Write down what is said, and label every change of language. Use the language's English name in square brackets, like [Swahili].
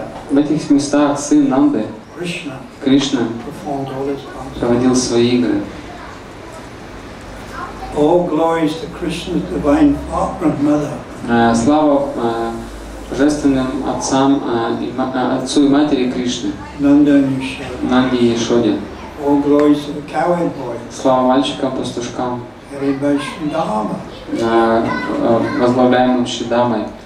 [Russian] В этих местах сын Нанды, Кришна, проводил свои игры. [English] All glories to Krishna's divine father and mother. [Russian] Слава божественным отцам, отцу и матери Кришны. Нанде и Яшоде. [English] All glories to the cowherd boys. [Russian] Слава мальчикам, пастушкам. [English] Hare Vaishnava. [Russian] Возглавляемым Шридамой.